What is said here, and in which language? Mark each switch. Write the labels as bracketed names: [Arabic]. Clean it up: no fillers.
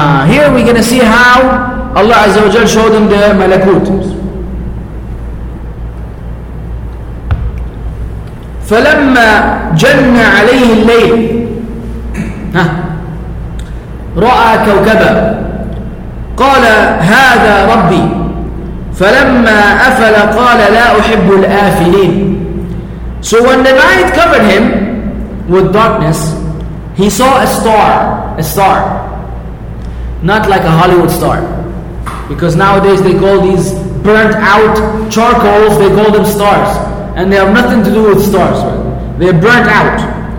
[English] Here we're going to see how Allah Azza wa Jal showed him the malakut. [Arabic] فَلَمَّا جَنَّ عَلَيْهِ اللَّيْلِ رَأَى كَوْكَبًا قال هذا ربي فلما أفل قال لا أحب الآفلين. [English] So when the night covered him with darkness, he saw a star, not like a Hollywood star, because nowadays they call these burnt out charcoals, they call them stars, and they have nothing to do with stars, they're burnt out.